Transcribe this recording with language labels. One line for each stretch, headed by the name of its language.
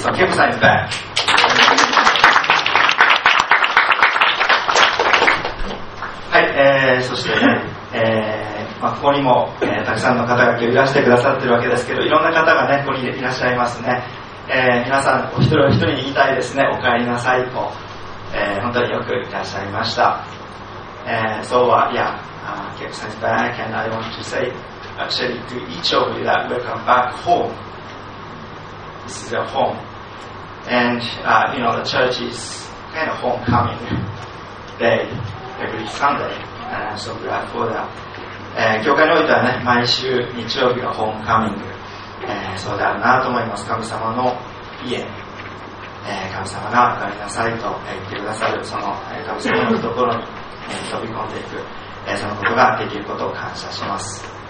Japanese: その恵子さんに向かい、はい。そしてね、ここにも、たくさんの方が今日いらしてくださってるわけですけど、いろんな方がねここにいらっしゃいますね。皆さんお一人お一人に言いたいですね、お帰りなさいと。本当によくいらっしゃいました。
English: So, Kip says back, and I want to say actually to each of you that welcome back home. This is your home. And, you know, the church is kind of homecoming day every Sunday. And I'm so glad for that.
Japanese: 教会においてはね、毎週日曜日がホームカミング。そうであるなと思います。神様の家。神様がお帰りなさいと言ってくださる、その神様のところに飛び込んでいく、そのことができることを感謝します。